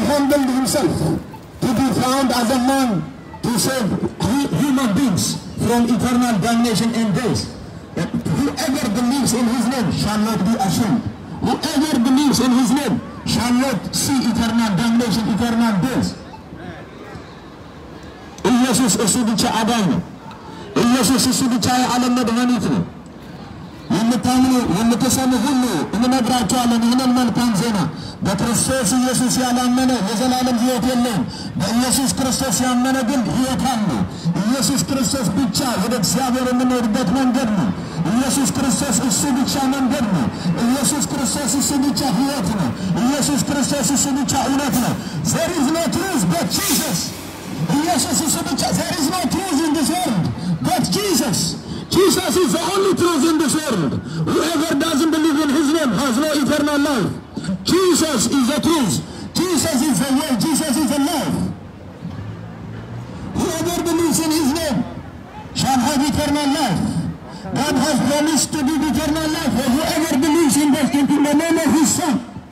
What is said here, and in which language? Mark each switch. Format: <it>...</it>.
<en>He humbled himself to be found as a man to save human beings from eternal damnation and death. Whoever believes in his name shall not be ashamed. Whoever believes in his name shall not see eternal damnation, eternal death.</en> <am>ኢየሱስ እሱ ብቻ አዳኝ ነው። ኢየሱስ እሱ ብቻ የዓለም መድኃኒት ነው። የምታምኑ የምትሰሙ ሁሉ እንነግራችኋለን ይህንን መልካም ዜና። በክርስቶስ ኢየሱስ ያላመነ የዘላለም ሕይወት የለም። በኢየሱስ ክርስቶስ ያመነ ግን ሕይወት አለው። ኢየሱስ ክርስቶስ ብቻ ወደ እግዚአብሔር የምንሄድበት መንገድ ነው። ኢየሱስ ክርስቶስ እሱ ብቻ መንገድ ነው። ኢየሱስ ክርስቶስ እሱ ብቻ ሕይወት ነው። ኢየሱስ ክርስቶስ እሱ ብቻ እውነት ነው።</am> <en>ዘር ኢዝ ኖ ትሩዝ በት ጂሰስ።</en> <am>ኢየሱስ እሱ ብቻ</am> <en>ዘር ኢዝ ኖ ትሩዝ ኢን ዲስ ወርልድ በት ጂሰስ። Jesus is the only truth in this world. Whoever doesn't believe in his name has no eternal life. Jesus is the truth. Jesus is the way. Jesus is the life. Whoever believes in his name shall have eternal life. God has promised to give eternal life. For whoever believes in this, in the name of his son.</en>